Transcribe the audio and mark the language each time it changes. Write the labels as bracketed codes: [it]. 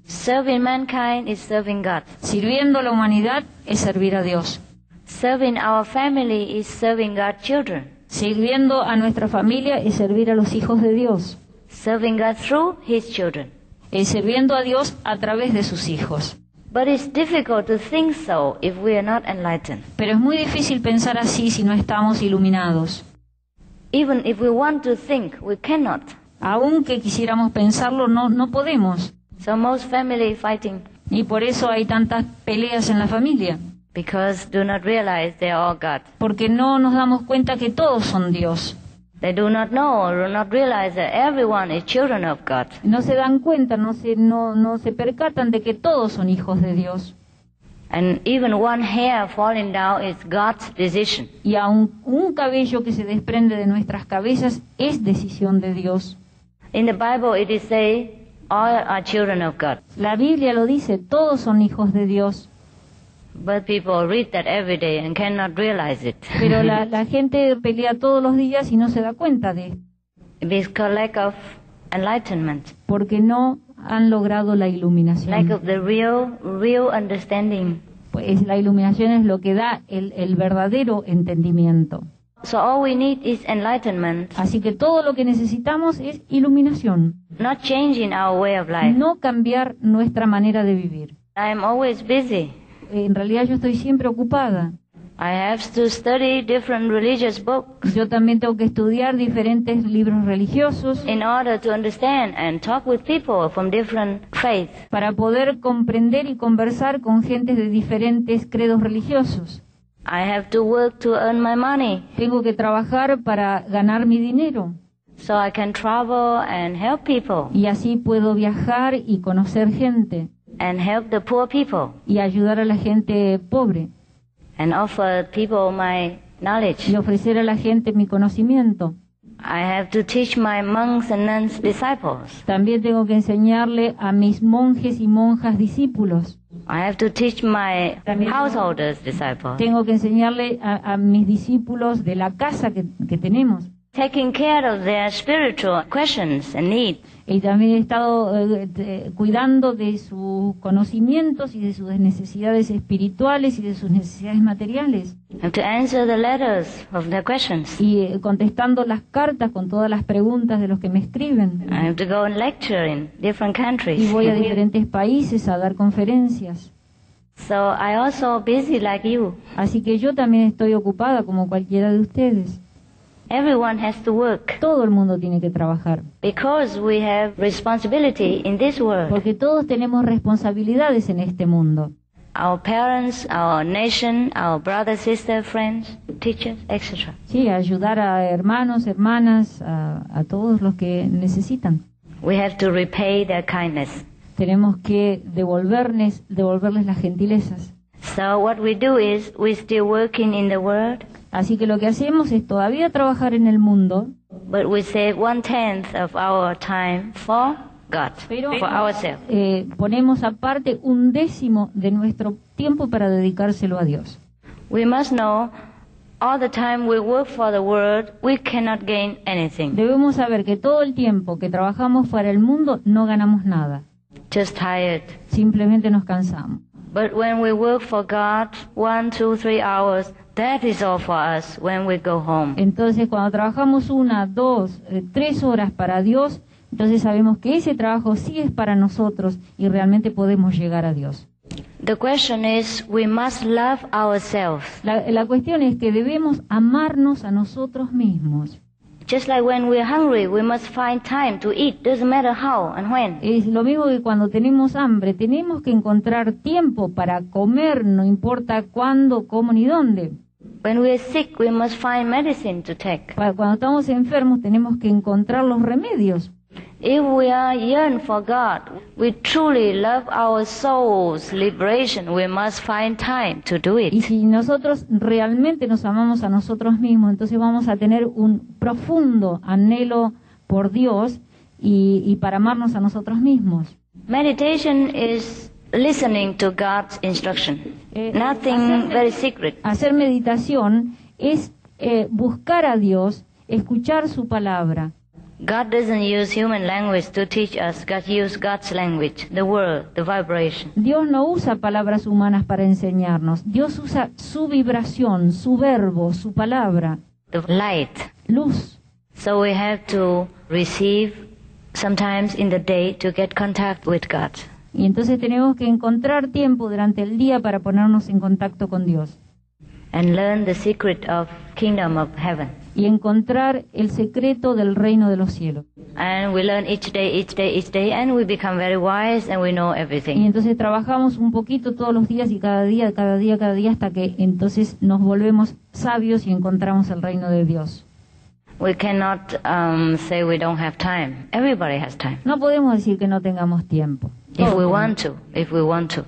[en] Serving mankind is serving God. [es] Sirviendo a la humanidad es servir a Dios. [en] Serving our family is serving God's children. [es] Sirviendo a nuestra familia es servir a los hijos de Dios. [en] Serving God through his children. [es] Es sirviendo a Dios a través de sus hijos. [en] But it's difficult to think so if we are not enlightened. [es] Pero es muy difícil pensar así si no estamos iluminados. [en] Even if we want to think, we cannot. [es] Aunque quisiéramos pensarlo, no podemos. [en] So most family fighting. [es] Y por eso hay tantas peleas en la familia. [en] Because do not realize they are all God. [es] Porque no nos damos cuenta que todos son Dios. [en] They do not know or do not realize that everyone is children of God. [es] No se dan cuenta, no se percatan de que todos son hijos de Dios. [en] And even one hair falling down is God's decision. [es] Y aun un cabello que se desprende de nuestras cabezas es decisión de Dios. [en] In the Bible it is said, all are children of God. [es] La Biblia lo dice, todos son hijos de Dios. [en] But people read that every day and cannot realize it. [es] Pero la gente pelea todos los días y no se da cuenta de. [en] Because lack of enlightenment. [es] Porque no han logrado la iluminación. [en] Lack of the real understanding. [es] Pues la iluminación es lo que da el verdadero entendimiento. [en] So all we need is enlightenment. [es] Así que todo lo que necesitamos es iluminación. [en] Not changing our way of life. [es] No cambiar nuestra manera de vivir. [en] I am always busy. [es] En realidad yo estoy siempre ocupada. [en] I have to study different religious books. [es] Yo también tengo que estudiar diferentes libros religiosos. [en] In order to understand and talk with people from different faiths. [es] Para poder comprender y conversar con gente de diferentes credos religiosos. [en] I have to work to earn my money. [es] Tengo que trabajar para ganar mi dinero. [en] So I can travel and help people. [es] Y así puedo viajar y conocer gente. [en] And help the poor people. [es] Y ayudar a la gente pobre. [en] And offer people my knowledge. [es] Y ofrecer a la gente mi conocimiento. [en] I have to teach my monks and nuns disciples. [es] También tengo que enseñarle a mis monjes y monjas discípulos. [en] I have to teach my householders disciples. [es] Tengo que enseñarle a mis discípulos de la casa que tenemos. [en] Taking care of their spiritual questions and needs. [es] Y también he estado cuidando de sus conocimientos y de sus necesidades espirituales y de sus necesidades materiales. [en] And to answer the letters of their questions. [es] Y contestando las cartas con todas las preguntas de los que me escriben. [en] I have to go and lecture in different countries. [es] Y voy a diferentes países a dar conferencias. [en] So I also busy like you. [es] Así que yo también estoy ocupada como cualquiera de ustedes. [en] Everyone has to work. [es] Todo el mundo tiene que trabajar. [en] Because we have responsibility in this world. [es] Porque todos tenemos responsabilidades en este mundo. [en] Our parents, our nation, our brothers, sisters, friends, teachers, etc. [es] Sí, ayudar a hermanos, hermanas, a todos los que necesitan. [en] We have to repay their kindness. [es] Tenemos que devolverles las gentilezas. [en] So what we do is we're still working in the world. [es] Así que lo que hacemos es todavía trabajar en el mundo. [en] But we save one tenth of our time for God, for ourselves. [es] Ponemos aparte un décimo de nuestro tiempo para dedicárselo a Dios. [en] We must know all the time we work for the world, we cannot gain anything. [es] Debemos saber que todo el tiempo que trabajamos para el mundo no ganamos nada. [en] Just tired. [es] Simplemente nos cansamos. [en] But when we work for God, 1, 2, 3 hours, that is all for us when we go home. [es] Entonces, cuando trabajamos 1, 2, 3 horas para Dios, entonces sabemos que ese trabajo sí es para nosotros y realmente podemos llegar a Dios. [en] The question is, we must love ourselves. [es] La cuestión es que debemos amarnos a nosotros mismos. [en] Just like when we're hungry, we must find time to eat. Doesn't matter how and when. [es] Es lo mismo que cuando tenemos hambre, tenemos que encontrar tiempo para comer. No importa cuándo, cómo ni dónde. [en] When we're sick, we must find medicine to take. [es] Cuando estamos enfermos, tenemos que encontrar los remedios. [en] If we are yearn for God, we truly love our soul's liberation, we must find time to do it. [es] Y si nosotros realmente nos amamos a nosotros mismos, entonces vamos a tener un profundo anhelo por Dios y para amarnos a nosotros mismos. [en] Meditation is listening to God's instruction. Nothing very secret. [es] Hacer meditación es buscar a Dios, escuchar su palabra. [en] God doesn't use human language to teach us. God uses God's language, the world, the vibration. [es] Dios no usa palabras humanas para enseñarnos. Dios usa su vibración, su verbo, su palabra. [en] The light. [es] Luz. [en] So we have to receive sometimes in the day to get contact with God. [es] Y entonces tenemos que encontrar tiempo durante el día para ponernos en contacto con Dios. [en] And learn the secret of kingdom of heaven. [es] Y encontrar el secreto del reino de los cielos. [en] And we learn each day, and we become very wise, and we know everything. [es] Y entonces trabajamos un poquito todos los días y cada día, hasta que entonces nos volvemos sabios y encontramos el reino de Dios. [en] We cannot say we don't have time. Everybody has time. [es] No podemos decir que no tengamos tiempo. [en] If we want to.